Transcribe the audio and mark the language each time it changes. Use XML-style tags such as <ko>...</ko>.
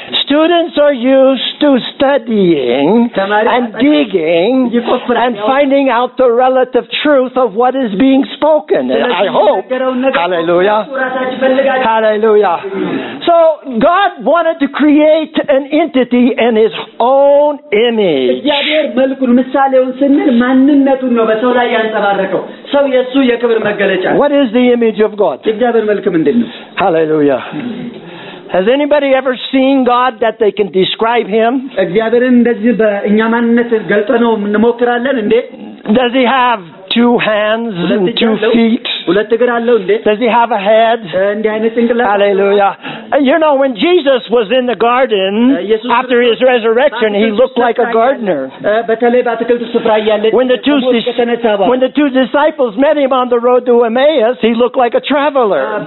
<en>Students are used to studying and digging and finding out the relative truth of what is being spoken. I hope. Hallelujah. Hallelujah. So God wanted to create an entity in his own image.</en> <am>እግዚአብሔር መልኩን ምሳሌውን ስንል ማንነቱን ነው በሰው ላይ ያንጸባረቀው ሰው የሱ የክብር መገለጫ</am> <en>What is the image of God?</en> <am>እግዚአብሔር መልኩ ምንድነው?</am> <en>Hallelujah. Has anybody ever seen God that they can describe him?</en> <am>እግዚአብሔርን እንደዚህ በእኛ ማንነት ገልጠነው እንሞክራለን እንዴ?</am> <en>Does he have two hands and two feet? Does he have a head? Hallelujah. You know, when Jesus was in the garden, after his resurrection, he looked like a gardener. When the two disciples met him on the road to Emmaus, he looked like a traveler.</en>